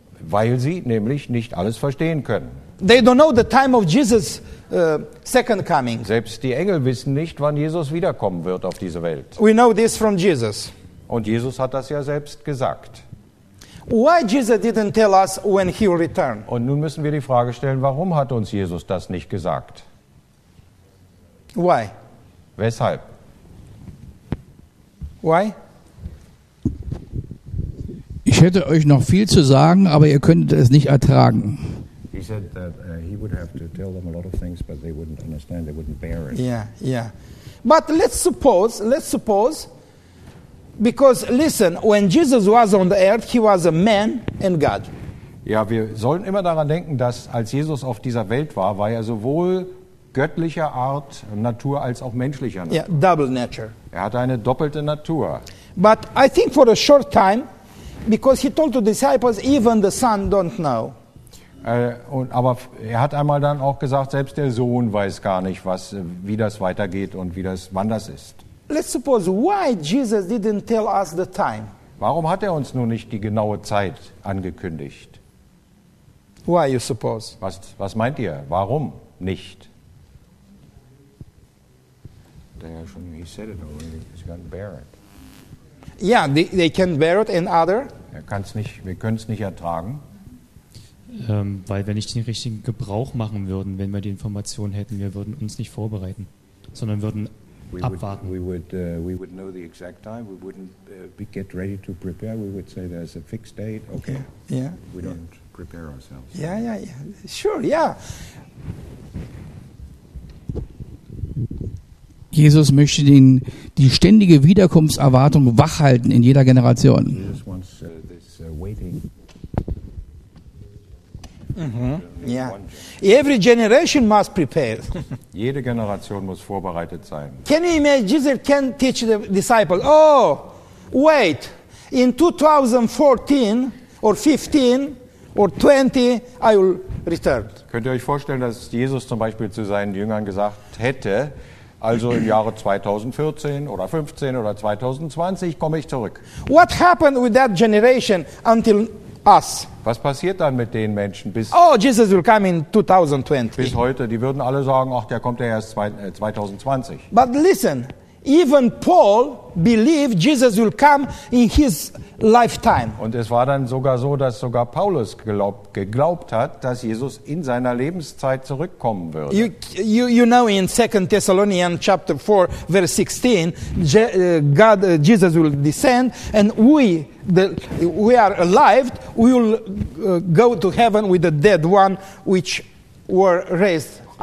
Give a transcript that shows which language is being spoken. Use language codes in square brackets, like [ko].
[de] Weil sie nämlich nicht alles verstehen können. [en] They don't know the time of Jesus' second coming. [de] Selbst die Engel wissen nicht, wann Jesus wiederkommen wird auf diese Welt. [en] We know this from Jesus. [de] Und Jesus hat das ja selbst gesagt. [en] Why Jesus didn't tell us when he will return? [de] Und nun müssen wir die Frage stellen, warum hat uns Jesus das nicht gesagt? [en] Why? [de] Weshalb? [en] Why? [de] Ich hätte euch noch viel zu sagen, aber ihr könntet es nicht ertragen. [en] He said that he would have to tell them a lot of things, but they wouldn't understand, they wouldn't bear it. Yeah. But let's suppose, because listen, when Jesus was on the earth, he was a man and God. [de] Ja, wir sollen immer daran denken, dass als Jesus auf dieser Welt war, war er sowohl göttlicher Art Natur als auch menschlicher Natur. [en] Yeah, double nature. [de] Er hatte eine doppelte Natur. [en] But I think for a short time, because he told the disciples, even the Son don't know. [de] Aber er hat einmal dann auch gesagt, selbst der Sohn weiß gar nicht, wie das weitergeht und wann das ist. [en] Let's suppose why Jesus didn't tell us the time. [de] Warum hat er uns nun nicht die genaue Zeit angekündigt? [en] Why you suppose? [de] Was meint ihr? Warum nicht? [en] He said it already. He's going to bear it. Yeah, they can bear it. And other? [de] Wir können es nicht ertragen. Weil wir nicht den richtigen Gebrauch machen würden, wenn wir die Information hätten, wir würden uns nicht vorbereiten, sondern würden abwarten. [en] We would know the exact time. We wouldn't get ready to prepare. We would say there's a fixed date. Okay. Yeah. We don't prepare ourselves. Yeah. Sure. Yeah. [de] Jesus möchte die ständige Wiederkunftserwartung wachhalten in jeder Generation. [en] Jesus wants this waiting. Mm-hmm. Yeah. Every generation must prepare. [de] Jede Generation muss vorbereitet sein. [en] Can you imagine Jesus can teach the disciples? Oh, wait. In 2014 or 15 or 20, I will return. [de] Könnt ihr euch vorstellen, dass Jesus zum Beispiel zu seinen Jüngern gesagt hätte, also im Jahre 2014 oder 15 oder 2020 komme ich zurück? [en] What happened with that generation until us? [de] Was passiert dann mit den Menschen bis? [en] Oh, Jesus will come in 2020. [de] Bis heute, die würden alle sagen, ach, der kommt ja erst 2020. [en] But listen, Even Paul believed Jesus will come in his lifetime. [de] Und es war dann sogar so, dass sogar Paulus geglaubt hat, dass Jesus in seiner Lebenszeit zurückkommen würde. [en] You know in 2 Thessalonians chapter 4 verse 16, Jesus will descend and we are alive, we will go to heaven with the dead one which were raised.